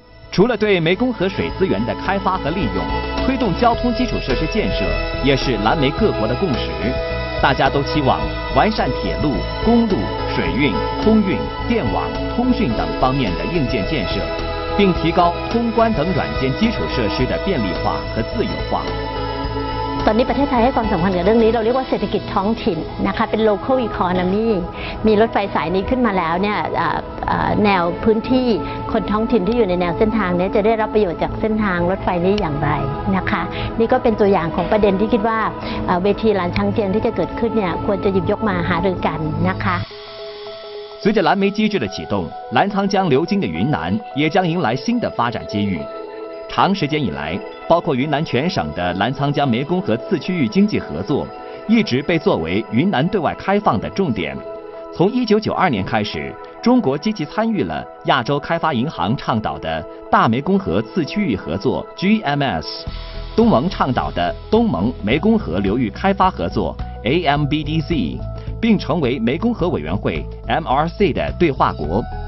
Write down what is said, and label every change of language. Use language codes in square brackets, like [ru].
[zh] 除了对湄公河水资源的开发和利用，推动交通基础设施建设也是蓝湄各国的共识。大家都期望完善铁路、公路、水运、空运、电网、通讯等方面的硬件建设，并提高通关等软件基础设施的便利化和自由化。 [th] ตอนนี้ประเทศไทยให้ความสำคัญกับเรื่องนี้เราเรียกว่าเศรษฐกิจท้องถิ่นนะคะเป็น [en] local economy [th] มีรถไฟสายนี้ขึ้นมาแล้วเนี่ยแนวพื้นที่คนท้องถิ่นที่อยู่ในแนวเส้นทางนี้จะได้รับประโยชน์จากเส้นทางรถไฟนี้อย่างไรนะคะนี่ก็เป็นตัวอย่างของประเด็นที่คิดว่าเวทีหลานช้างเจียงที่จะเกิดขึ้นเนี่ยควรจะหยิบยกมาหารือกันนะคะ [zh] 随着蓝湄机制的启动，澜沧江流经的云南也将迎来新的发展机遇。长时间以来，包括云南全省的澜沧江湄公河次区域经济合作一直被作为云南对外开放的重点。从1992年开始，中国积极参与了亚洲开发银行倡导的大湄公河次区域合作 GMS， 东盟倡导的东盟湄公河流域开发合作 AMBDC， 并成为湄公河委员会 MRC 的对话国。